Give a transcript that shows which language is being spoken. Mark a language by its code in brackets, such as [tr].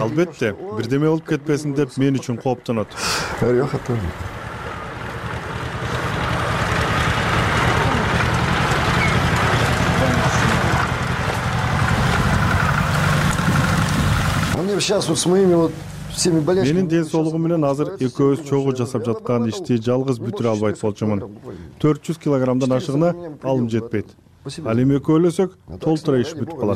[ky] Албетте, бирдеме болуп кетпесин деп мен үчүн кооптонот. [ru] Мне сейчас вот с моими вот всеми болезнями. [ky] Менин ден соолугум менен азыр экөөбүз чогуу жасап жаткан ишти жалгыз бүтүрө албайт болчумун. 400 кг ашыгына алым жетпейт. Ал эми экөөлөсөк толтура иш бүтүп калат.